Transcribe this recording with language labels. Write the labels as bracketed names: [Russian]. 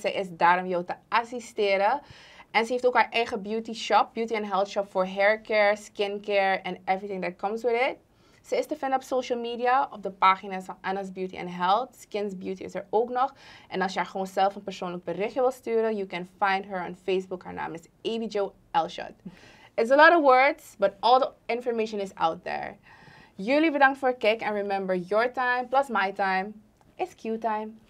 [Dutch] Ze is daar om jou te assisteren. En ze heeft ook haar eigen beauty shop, beauty and health shop voor haircare, skincare en [English] everything that comes with it. [Dutch] Ze is te vinden op social media, op de pagina's van Anna's Beauty and Health. Skins Beauty is er ook nog. En als je haar gewoon zelf een persoonlijk berichtje wil sturen, [English] you can find her on Facebook. [Dutch] Haar naam is Abi Jo Elshad. [English] It's a lot of words, but all the information is out there. [Dutch] Jullie bedankt voor het kijken. En [English] remember, your time plus my time is Q-time.